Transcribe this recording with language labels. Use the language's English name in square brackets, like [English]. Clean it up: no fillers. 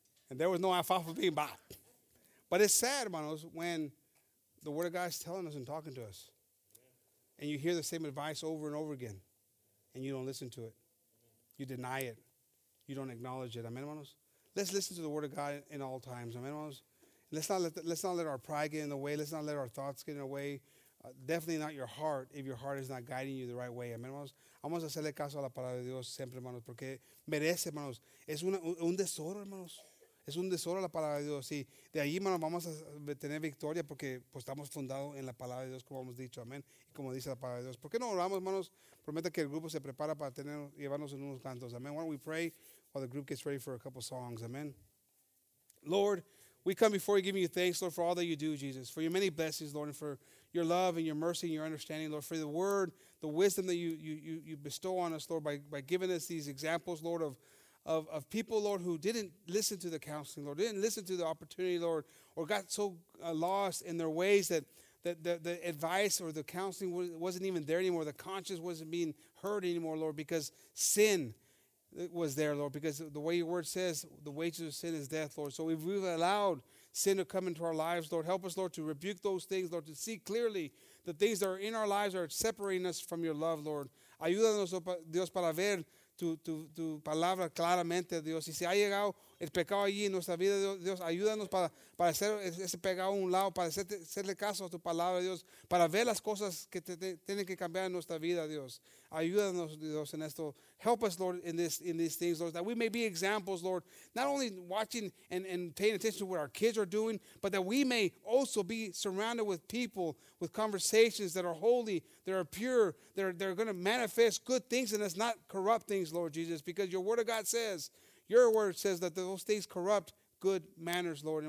[English] And there was no alfalfa being bought. But it's sad, hermanos, when the Word of God is telling us and talking to us, and you hear the same advice over and over again, and you don't listen to it. You deny it. You don't acknowledge it. Amen, hermanos? Let's listen to the Word of God in all times. Amen, hermanos? Let's not let our pride get in the way. Let's not let our thoughts get in the way. Definitely not your heart if your heart is not guiding you the right way. Amen, hermanos? [Spanish] Vamos a hacerle caso a la palabra de Dios siempre, hermanos, porque merece, hermanos. Es un tesoro, hermanos. Es un tesoro la palabra de Dios. Y de ahí, hermanos, vamos a tener victoria porque pues, estamos fundados en la palabra de Dios, como hemos dicho. Amén. Y como dice la palabra de Dios. ¿Por qué no oramos, hermanos? Prometa que el grupo se prepara para llevarnos en unos cantos. Amén. [English] Why don't we pray while the group gets ready for a couple songs. Amén. Lord, we come before you giving you thanks, Lord, for all that you do, Jesus. For your many blessings, Lord, and for your love and your mercy and your understanding, Lord. For the word, the wisdom that you bestow on us, Lord, by giving us these examples, Lord, of people, Lord, who didn't listen to the counseling, Lord, didn't listen to the opportunity, Lord, or got so lost in their ways that the advice or the counseling wasn't even there anymore. The conscience wasn't being heard anymore, Lord, because sin was there, Lord, because the way your word says, the wages of sin is death, Lord. So if we've allowed sin to come into our lives, Lord, help us, Lord, to rebuke those things, Lord, to see clearly the things that are in our lives are separating us from your love, Lord. [Spanish] Ayúdanos, Dios, para ver tu palabra claramente, Dios. Y si ha llegado el pecado allí en nuestra vida, Dios, ayúdanos para hacer ese pecado a un lado, para hacerle caso a tu palabra, Dios, para ver las cosas que tienen que cambiar en nuestra vida, Dios. Ayúdanos, Dios, en esto. [English] Help us, Lord, in these things, Lord, that we may be examples, Lord, not only watching and paying attention to what our kids are doing, but that we may also be surrounded with people, with conversations that are holy, that are pure, that are going to manifest good things in us, not corrupt things, Lord Jesus, because your word of God says, your word says that those things corrupt good manners, Lord.